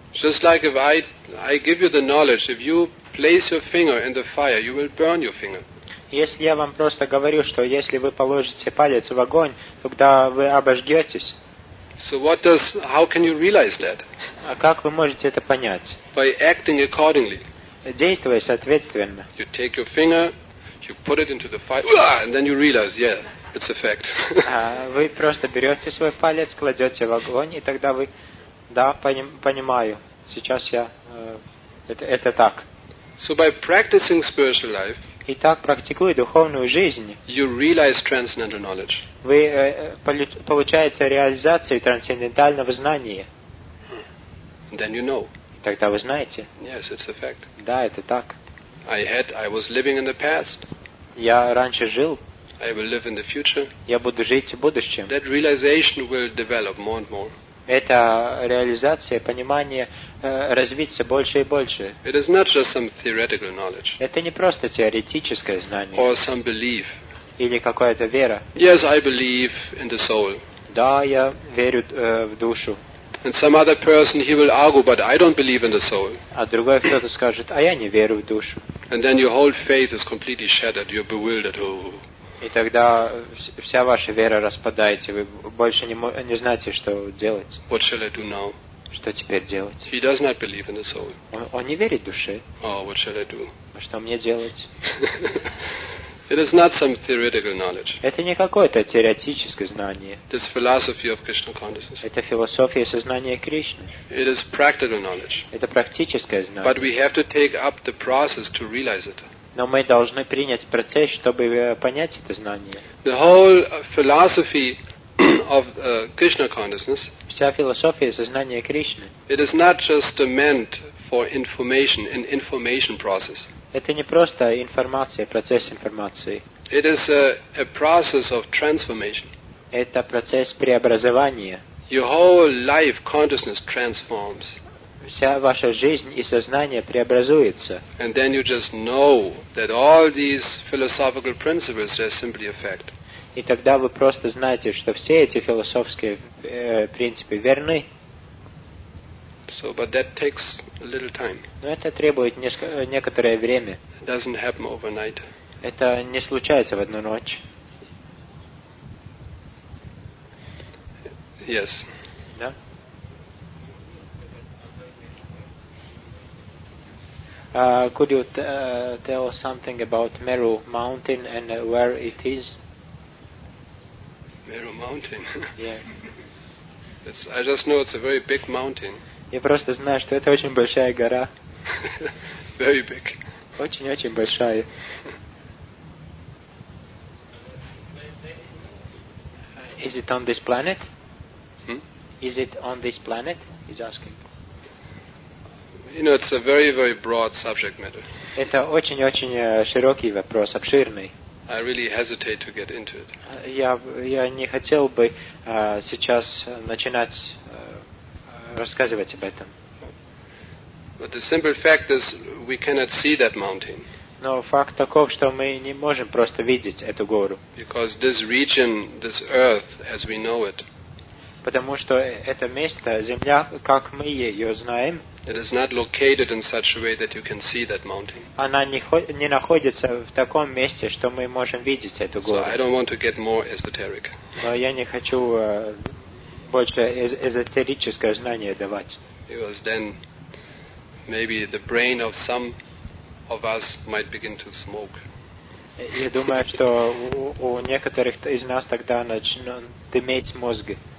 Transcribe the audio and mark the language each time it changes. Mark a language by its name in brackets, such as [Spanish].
[English] Just like if I give you the knowledge, if you place your finger in the fire, you will burn your finger. [Russian] Если я вам просто говорю, что если вы положите палец в огонь, тогда вы обожгетесь. [English] So what does, how can you realize that? [Russian] А как вы можете это понять? [English] By acting accordingly. [Russian] Действуя соответственно. [English] You take your finger, you put it into the fire, and then you realize, yeah, it's a fact. [Russian] Вы просто берете свой палец, кладете в огонь, и тогда вы, да, понимаю, сейчас я, это так. [English] So by practicing spiritual life, [Russian] и так, практикуя духовную жизнь, [English] you realize transcendental knowledge. [Russian] Вы получаете реализацию трансцендентального знания. [English] Then you know. [Russian] Тогда вы знаете. [English] Yes, it's a fact. [Russian] Да, это так. [English] I was living in the past. [Russian] Я раньше жил. [English] I will live in the future. [Russian] Я буду жить в будущем. [English] That realization will develop more and more. [Russian] Эта реализация, понимание развиться больше и больше. [English] It is not just some theoretical knowledge. [Russian] Это не просто теоретическое знание. [English] Or some belief. [Russian] Или какая-то вера. [English] Yes, I believe in the soul. [Russian] Да, я верю в душу. [English] And some other person, he will argue, but I don't believe in the soul. [Russian] А другой кто-то скажет, а я не верю в душу. [English] And then your whole faith is completely shattered. You're bewildered. Oh. [Russian] И тогда вся ваша вера распадается, вы больше не знаете, что делать. [English] What shall I do now? [Russian] Что теперь делать? [English] He does not believe in the soul. [Russian] Он не верит в душе. [English] Oh, what shall I do? [Russian] Что мне делать? [English] It is not some theoretical knowledge. [Russian] Это не какое-то теоретическое знание. [English] This philosophy of Krishna consciousness. [Russian] Это философия сознания Кришны. [English] It is practical knowledge. [Russian] Это практическое знание. [English] But we have to take up the process to realize it. [Russian] Но мы должны принять процесс, чтобы понять это знание. [English] The whole philosophy of Krishna consciousness. [Russian] Вся философия сознания Кришны. [English] It is not just meant for information, an information process. [Russian] Это не просто информация, процесс информации. [English] It is a process of transformation. [Russian] Это процесс преобразования. [English] Your whole life consciousness transforms. [Russian] Вся ваша жизнь и сознание преобразуется. [English] And then you just know that all these philosophical principles are simply a fact. [Russian] И тогда вы просто знаете, что все эти философские принципы верны. [English] So, but that takes a little time. [Russian] Но это требует некоторое время. [English] It doesn't happen overnight. [Russian] Это не случается в одну ночь. [English] Yes. [Russian] Да? [English] Could you tell us something about Meru Mountain and where it is? Meru Mountain? Yeah. I just know it's a very big mountain. [Russian] Я просто знаю, что это очень большая гора. [English] Very big. [Russian] Очень-очень большая. [English] Is it on this planet? Is it on this planet? He's asking. You know, it's a very, very broad subject matter. [Russian] Это очень-очень широкий вопрос, обширный. [English] I really hesitate to get into it. [Russian] Я не хотел бы сейчас начинать рассказывать об этом. [English] But the simple fact is, we cannot see that mountain. [Russian] Но факт таков, что мы не можем просто видеть эту гору. [English] Because this region, this earth, as we know it. [Russian] Потому что это место, земля, как мы ее знаем. [English] It is not located in such a way that you can see that mountain. [Russian] Она не находится в таком месте, что мы можем видеть эту гору. [English] So I don't want to get more esoteric. [Russian] Но я не хочу больше эзотерическое знание давать. [English] Because then maybe the brain of some of us might begin to smoke. [Russian] Я думаю, что у некоторых из нас тогда начнут дымить мозги.